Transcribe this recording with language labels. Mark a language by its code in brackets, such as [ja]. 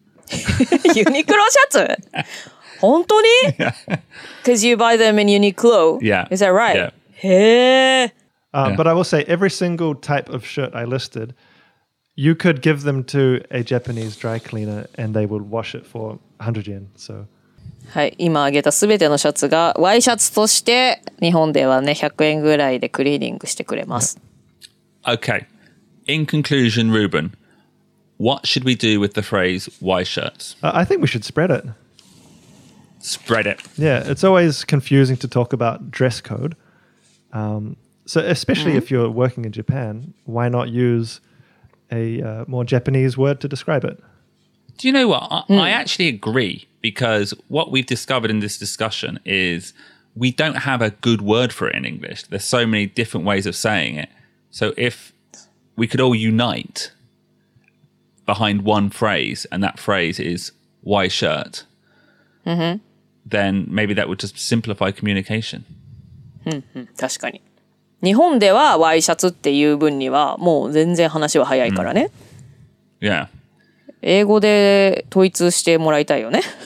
[en] Uniqlo shirts? [ja] 本当に? [en] Because you buy them in Uniqlo. Yeah. Is that right? Yeah. Yeah. But I will say, every single type of shirt I listed, you could give them to a Japanese dry cleaner and they would wash it for 100 yen. So. [ja] はい、今あげたすべてのシャツが Y シャツとして日本ではね、100円ぐらいでクリーニングしてくれます。 [en] Yeah. Okay. In conclusion, Ruben, what should we do with the phrase Y shirts? I think we should spread it. Spread it. Yeah, it's always confusing to talk about dress code. So especially if you're working in Japan, why not use a more Japanese word to describe it? Do you know what? I actually agree, because what we've discovered in this discussion is we don't have a good word for it in English. There's so many different ways of saying it. So if we could all unite behind one phrase, and that phrase is Y shirt, then maybe that would just simplify communication. [ja] 確かに。日本ではワイシャツっていう分にはもう全然話は早いからね。 [en] Yeah. [ja] 英語で統一してもらいたいよね。